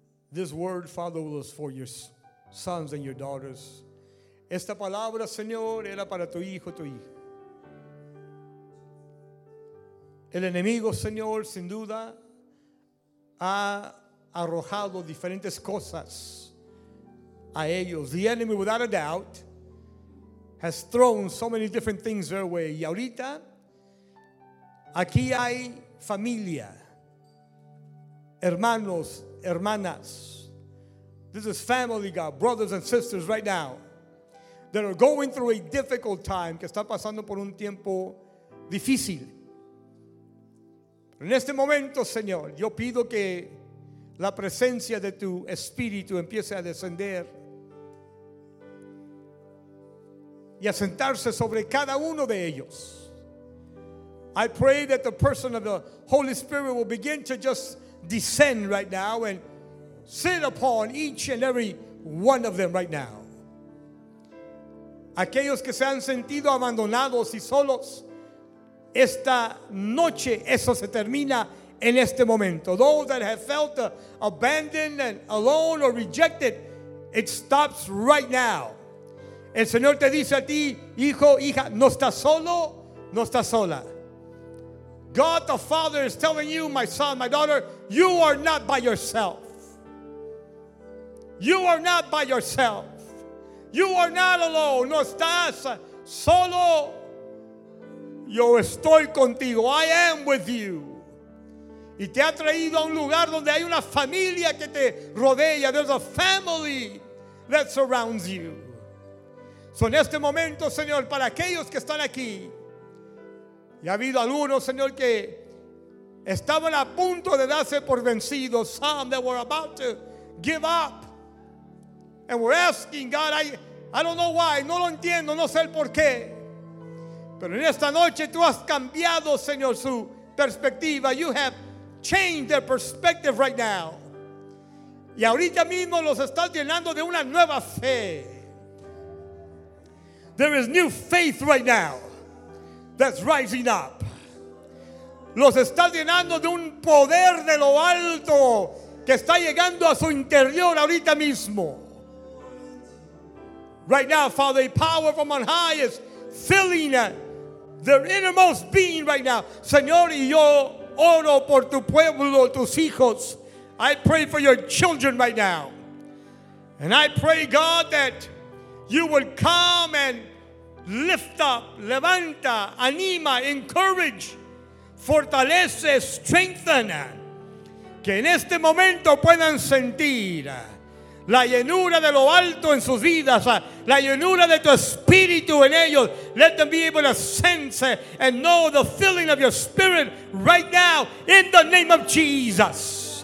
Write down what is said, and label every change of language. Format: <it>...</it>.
<en>This word, Father, was for your sons and your daughters.</en> <es>Esta palabra, Señor, era para tu hijo, tu hija. El enemigo, Señor, sin duda, ha arrojado diferentes cosas a ellos.</es> <en>The enemy, without a doubt, has thrown so many different things their way.</en> <es>Y ahorita, aquí hay familia, hermanos, hermanas.</es> <en>This is family, God, brothers and sisters right now that are going through a difficult time,</en> <es>que está pasando por un tiempo difícil. En este momento, Señor, yo pido que la presencia de tu espíritu empiece a descender y a sentarse sobre cada uno de ellos.</es> <en>I pray that the person of the Holy Spirit will begin to just descend right now and sit upon each and every one of them right now.</en> <es>Aquellos que se han sentido abandonados y solos, esta noche eso se termina en este momento.</es> <en>Those that have felt abandoned and alone or rejected, it stops right now.</en> <es>El Señor te dice a ti, hijo, hija, no estás solo, no estás sola.</es> <en>God the Father is telling you, my son, my daughter, you are not by yourself. You are not by yourself. You are not alone.</en> <es>No estás solo. Yo estoy contigo.</es> <en>I am with you.</en> <es>Y te ha traído a un lugar donde hay una familia que te rodea.</es> <en>There's a family that surrounds you.</en> <es>So en este momento, Señor, para aquellos que están aquí, y ha habido algunos, Señor, que estaban a punto de darse por vencidos.</es> <en>Some that were about to give up. And were asking, God, I don't know why.</en> <es>No lo entiendo, no sé el por qué. Pero en esta noche tú has cambiado, Señor, su perspectiva.</es> <en>You have changed their perspective right now.</en> <es>Y ahorita mismo los estás llenando de una nueva fe.</es> <en>There is new faith right now that's rising up.</en> <es>Los está llenando de un poder de lo alto que está llegando a su interior ahorita mismo.</es> <en>Right now, Father, a power from on high is filling their innermost being right now.</en> <es>Señor, y yo oro por tu pueblo, tus hijos.</es> <en>I pray for your children right now. And I pray, God, that you will come and lift up,</en> <es>levanta, anima,</es> <en>encourage,</en> <es>fortalece,</es> <en>strengthen.</en> <es>Que en este momento puedan sentir la llenura de lo alto en sus vidas, la llenura de tu espíritu en ellos.</es> <en>Let them be able to sense and know the filling of your spirit right now in the name of Jesus.</en>